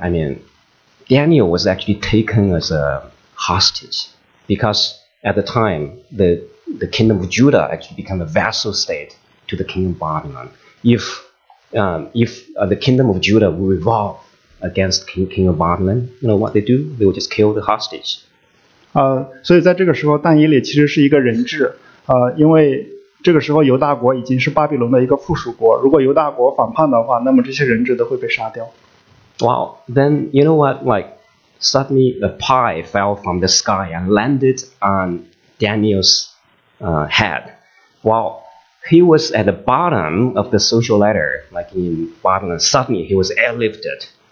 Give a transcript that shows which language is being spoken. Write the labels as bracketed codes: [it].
[en] I mean, Daniel was actually taken as a hostage because at the time the kingdom of Judah actually became a vassal state to the kingdom of Babylon. If the kingdom of Judah will revolt against king of Babylon, you know what they do? They will just kill the hostage. [zh] 所以在这个时候但以理其实是一个人质，因为这个时候犹大国已经是巴比伦的一个附属国，如果犹大国反叛的话，那么这些人质都会被杀掉。 [en] Wow, then you know what, like suddenly a pie fell from the sky and landed on Daniel's head. Wow, he was at the bottom of the social ladder, like in Babylon, suddenly he was airlifted.